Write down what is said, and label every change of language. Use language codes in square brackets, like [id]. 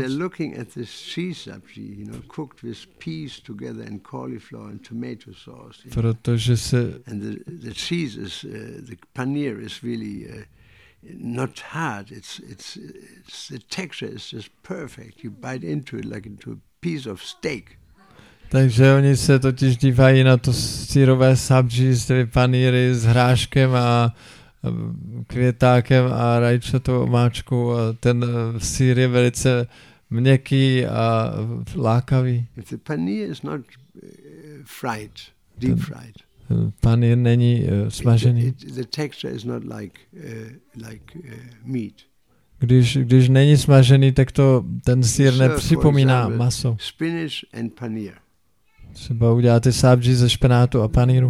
[en] They're looking at this cheese sabji, you know, cooked with peas together and cauliflower and tomato sauce. [cs] Protože se. [en] And the cheese is the paneer is really not hard. It's the texture is just perfect. You bite into it like into a piece of steak. [cs] Takže oni se totiž dívají na to sýrové sabji s těmi paníry s hráškem a květákem a rajčatou omáčkou a ten sýr je velice měkký a lákavý. [en] If the paneer is not fried, deep fried. [cs] Paneer není smažený. [en] The texture is not like meat. [cs] Když není smažený, tak to ten sýr nepřipomíná maso. [en] Spinach and paneer. [cs] Třeba uděláte sábží ze špenátu a paníru.